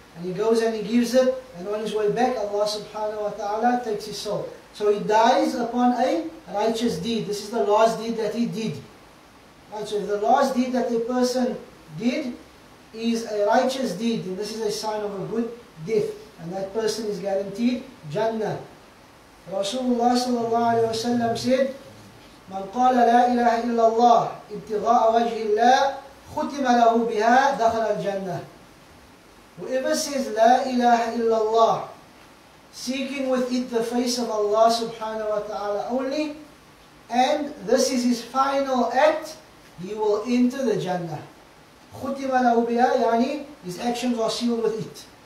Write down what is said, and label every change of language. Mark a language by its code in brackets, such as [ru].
[en] And he goes and he gives it, and on his way back, Allah subhanahu wa ta'ala takes his soul. So he dies upon a righteous deed. This is the last deed that he did. Right, so if the last deed that a person did is a righteous deed, then this is a sign of a good death. And that person is guaranteed Jannah. [ar] Rasulullah sallallahu alayhi wa sallam said, من قال لا إله إلا الله ابتغاء وجه الله ختم له بها دخل الجنة. [en] Whoever says [ar] لا إله إلا الله, [en] seeking with it the face of Allah subhanahu wa ta'ala only, and this is his final act, he will enter the Jannah. [ar] ختم له بها, يعني [en] his actions are sealed with it.